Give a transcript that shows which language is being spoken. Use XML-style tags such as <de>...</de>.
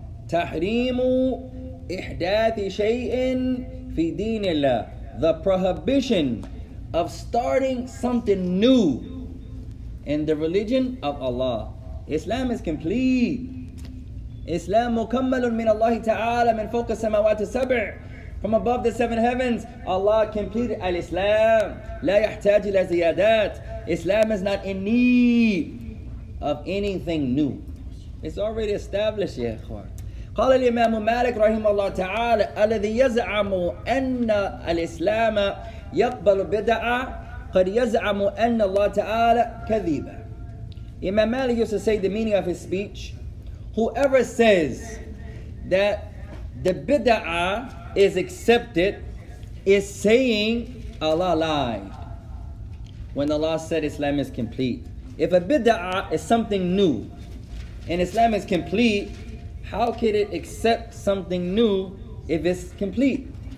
<ar>تحريم إحداث شيء في دين الله.</ar> <en>the prohibition of starting something new in the religion of Allah. Islam is complete.</en> <ar>Islam mukammalun min Allah ta'ala min fawqa samawati sab'.</ar> <en>From above the seven heavens, Allah completed al-Islam.</en> <ar>La yahtaj ila ziyadat.</ar> <en>Islam is not in need of anything new. It's already established, ya ikhwan.</en> <ar>قال الإمام مالك رحمه الله تعالى الذي يزعم أن الإسلام يقبل بدعة قد يزعم أن الله تعالى كذبا.</ar> <en>Imam Malik used to say the meaning of his speech, whoever says that the bid'ah is accepted is saying Allah lied when Allah said Islam is complete. If a bid'ah is something new and Islam is complete, how could it accept something new if it's complete?</en>